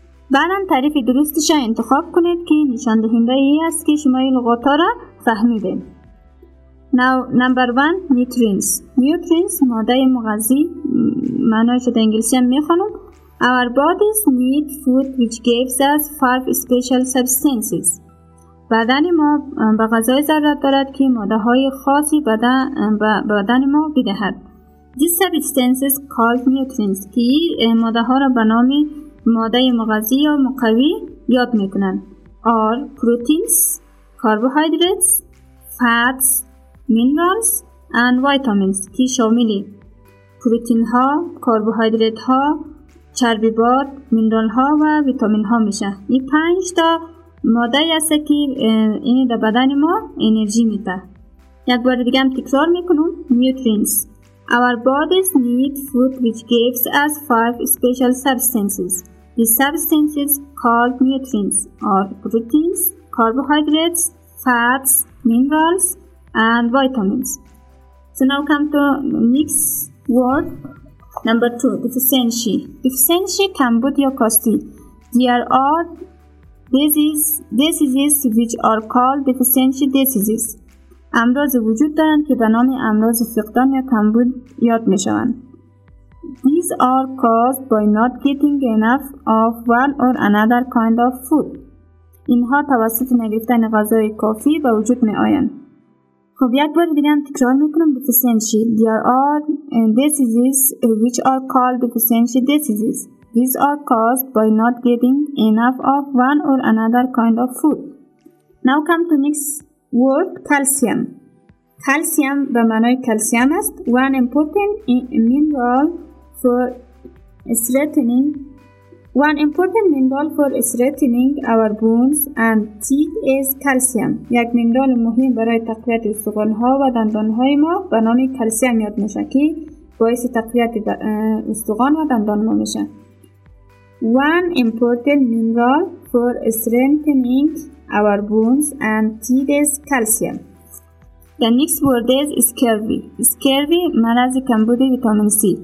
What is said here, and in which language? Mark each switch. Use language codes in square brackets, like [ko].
[fa] بعدم تعریف درستش را انتخاب کنید که نشان دهنده ای است که شما این لغات ها را فهمیدید. [en] Now number 1 nutrients. [fa] Nutrients ماده مغذی معنایش در انگلیسی هم میخوانم. [en] Our bodies need food which gives us five special substances. [fa] بدن ما به غذای ضرورت دارد که ماده های خاصی بدن ما بدهد. [en] These substances called nutrients [fa] که ماده ها را به نام ماده مغذی یا مقوی یاد میکنن [en] are proteins carbohydrates fats minerals and vitamins [fa] که شامل پروتین ها کاربوهایدرت ها چربی باد مینرال ها و ویتامین ها میشه این 5 تا ماده است که این در بدن ما انرژی میده یک بار دیگه هم تکرار میکنم نیوترینز [en] Our bodies need food which gives us five special substances. The substances called nutrients are proteins, carbohydrates, fats, minerals, and vitamins. So now come to next word, number 2, deficiency. Deficiency can be your cost. There are diseases which are called deficiency diseases. [fa] امراض وجود دارند که به نام امراض فقدان یا کمبود یاد می شوند. [en] These are caused by not getting enough of one or another kind of food. [fa] اینها توسط نگرفتن غذای کافی به وجود می آیند. خب یک بار دیگه هم تکرار می کنم deficiency. [en] There are diseases which are called deficiency diseases. These are caused by not getting enough of one or another kind of food. Now come to next word calcium. [fa] Calcium به معنای کلسیم است. [en] One important mineral for strengthening. One important mineral for strengthening our bones and teeth is calcium. [fa] یک مینرال مهم برای تقویت استخوان‌ها و دندان‌های ما به نام کلسیم یاد می‌شود که باعث تقویت استخوان و دندان ما میشه. [en] One important mineral for strengthening our bones and teeth is calcium. The next word is scurvy. [fa] Scurvy, مرض کمبود ویتامین C.